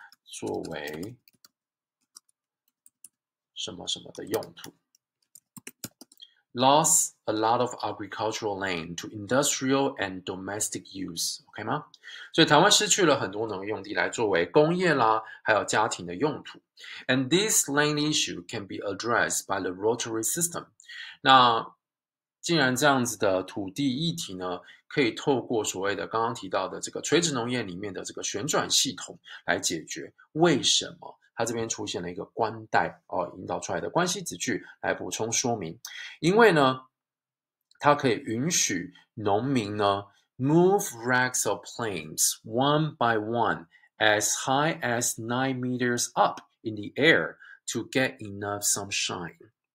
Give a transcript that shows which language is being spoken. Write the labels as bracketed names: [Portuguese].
[Chinese] 作为什么什么的用途？ [English] Lost a lot of agricultural land to industrial and domestic use，OK 吗？ [Chinese] 所以台湾失去了很多农业用地来作为工业啦，还有家庭的用途。 [English] And this land issue can be addressed by the rotary system。 [Chinese] 那既然这样子的土地议题呢，可以透过所谓的刚刚提到的这个垂直农业里面的这个旋转系统来解决，为什么？它这边出现了一个冠代引导出来的关系子句来补充说明，因为呢，它可以允许农民呢 [English] move racks of planes one by one as high as 9 meters up in the air to get enough sunshine。